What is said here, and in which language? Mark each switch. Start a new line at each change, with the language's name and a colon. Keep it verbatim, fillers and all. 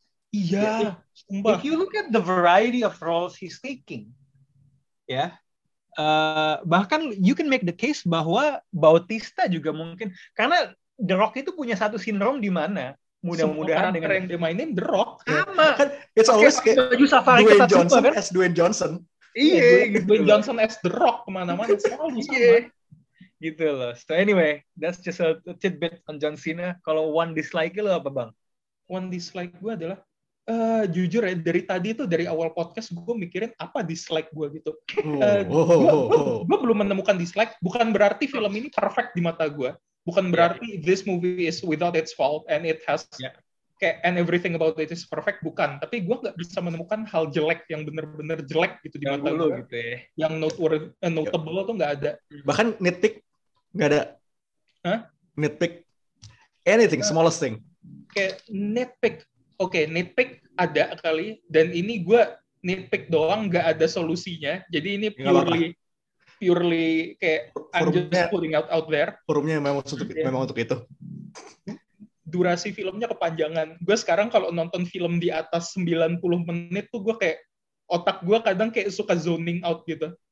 Indonesian: Iya.
English: Yeah. If you look at the variety of roles he's taking, ya, yeah, uh, bahkan you can make the case
Indonesian: bahwa Bautista juga mungkin, karena The Rock itu punya satu sindrom di mana mudah-mudahan dengan yang dimainin The Rock sama. Kan,
English: it's always
Indonesian: kayak Dwayne Johnson kan?
English: as Dwayne Johnson.
Indonesian: Iya. Yeah, Dwayne Johnson as The Rock kemana-mana selalu sama. Yeah. Gitu loh.
English: So anyway, that's just a tidbit on John Cena.
Indonesian: Kalau one dislike lo apa bang? One dislike gue adalah, uh, jujur ya dari tadi itu dari awal podcast gue mikirin apa dislike gue gitu. Uh, gue belum menemukan dislike. Bukan berarti film ini perfect di mata gue. Bukan berarti yeah.
English: this movie is without its fault and it has yeah. kayak and everything about it is perfect.
Indonesian: Bukan. Tapi gue nggak bisa menemukan hal jelek yang benar-benar jelek gitu di yang mata gue. Gitu ya. Yang noteworthy, uh, notable tuh nggak ada. Bahkan nitpick. Nggak ada. Huh? Nitpick.
English: Anything, smallest thing.
Indonesian: Kayak nitpick. Oke, okay, nitpick ada kali. Dan ini gue nitpick doang, nggak ada solusinya. Jadi ini purely, purely kayak
English: I'm just putting out out there.
Indonesian: Forumnya memang untuk, yeah. memang untuk itu. Durasi filmnya kepanjangan. Gue sekarang kalau nonton film di atas sembilan puluh menit tuh gue kayak, otak gue kadang kayak suka zoning out gitu.